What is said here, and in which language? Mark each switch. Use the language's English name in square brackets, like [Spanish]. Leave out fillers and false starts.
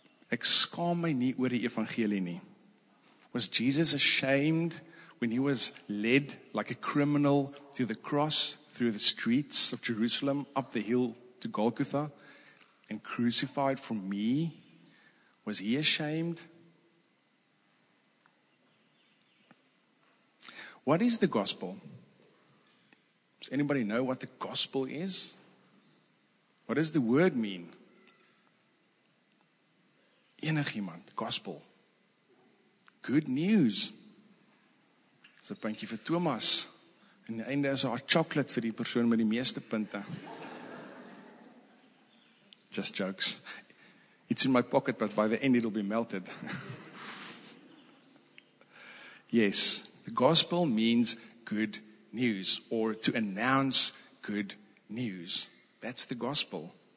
[Afrikaans] Ek skaam my nie oor die evangelie nie. [English] Was Jesus ashamed when he was led like a criminal to the cross through the streets of Jerusalem up the hill to Golgotha and crucified for me? Was he ashamed? What is the gospel? Does anybody know what the gospel is? What does the word mean? [Afrikaans] Enigiemand, [English] gospel. Good news. [Afrikaans] So puntjie vir Thomas. In die einde is daar chocolate vir die persoon met die meeste punte. [English] Just jokes. It's in my pocket, but by the end it'll be melted. Yes, the gospel means good news, or to announce good news. That's the gospel.